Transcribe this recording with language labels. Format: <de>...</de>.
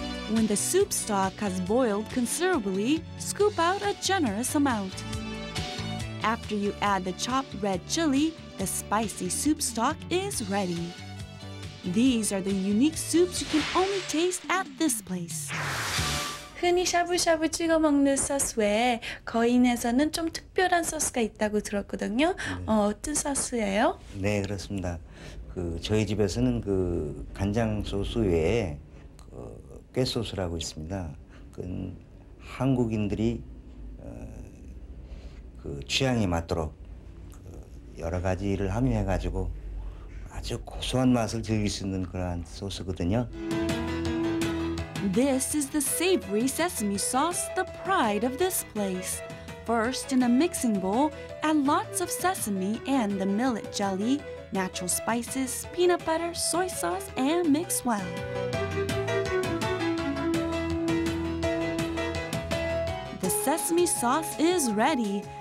<en>When the soup stock has boiled considerably, scoop out a generous amount. After you add the chopped red chili, the spicy soup stock is ready. These are the unique soups you can only taste at this place.</en> <ko>흔히 샤브샤브 찍어 먹는 소스 외에 거인에서는 좀 특별한 소스가 있다고 들었거든요. 네. 어떤 소스예요? 네, 그렇습니다. 그 저희 집에서는 그 간장 소스 외에 그 꽤 소스라고 있습니다. 그건 한국인들이 그 취향에 맞도록 그 여러 가지를 함유해가지고 아주 고소한 맛을 즐길 수 있는 그러한 소스거든요.</ko> <en>This is the savory sesame sauce, the pride of this place. First, in a mixing bowl, add lots of sesame and the millet jelly, natural spices, peanut butter, soy sauce, and mix well. The sesame sauce is ready.</en>